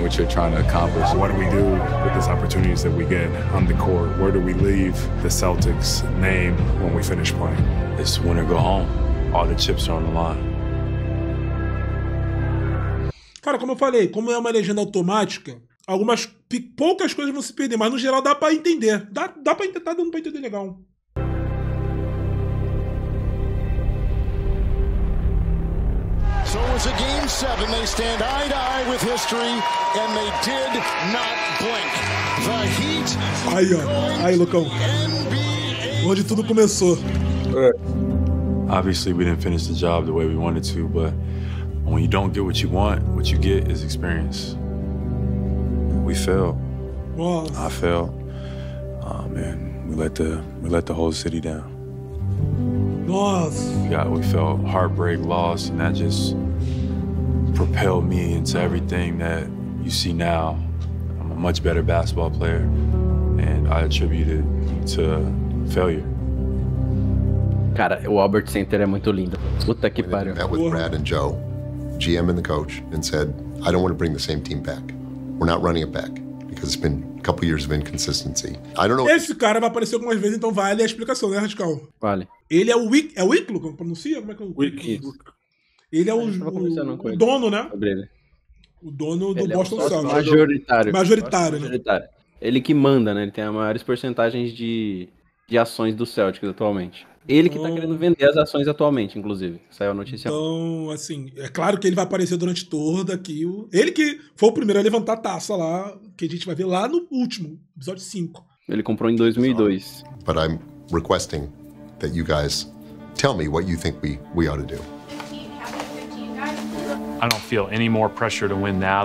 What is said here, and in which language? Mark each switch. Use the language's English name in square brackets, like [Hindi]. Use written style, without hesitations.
[English] What you're trying to accomplish? What do we do with these opportunities that we get on the court? Where do we leave the Celtics' name when we finish playing? It's win or go home. All the chips are on the line. [Portuguese] Cara, como eu falei, como é uma legenda automática, algumas poucas coisas vão se perder, mas no geral dá pra entender. Dá pra entender, tá dando pra entender legal. [English] So it was a game 7. They stand eye to eye with history and they did not blink. The Heat. [Portuguese] Aí, ó. Aí, Lucão. Onde tudo começou. [English] Obviously we didn't finish the job the way we wanted to, but when you don't get what you want, what you get is experience. We fell. [Portuguese] Nossa. [English] I fell. Oh, man. We let the whole city down. [Portuguese] Nossa. [English] Yeah, we felt heartbreak, loss, and that just propelled me into everything that you see now. I'm a much better basketball player, and I attribute it to failure. [Portuguese] Cara, o Albert Center é muito lindo. Puta que pariu. [English] Met with Brad and Joe, GM and the coach, and said, I don't want to bring the same team back. We're not running it back because it's been a couple years of inconsistency. I don't know. [Portuguese] Esse cara vai aparecer algumas vezes, então vale a explicação, né, Radical? Vale. Ele é o Wick, é o Wick, Luca, como pronuncia? Como é que é o Wick? Ele é o dono, né? O dono do Boston Celtics. Majoritário. Majoritário, né? Majoritário. Ele que manda, né? Ele tem as maiores porcentagens de ações do Celtics atualmente. Ele que tá querendo vender as ações atualmente, inclusive. Saiu a notícia. Então, assim, é claro que ele vai aparecer durante toda aqui. Ele que foi o primeiro a levantar a taça lá, que a gente vai ver lá no último, episódio 5. Ele comprou em 2002. [English] But I'm requesting that you guys tell me what you think we ought to do. I don't feel any more pressure to win now.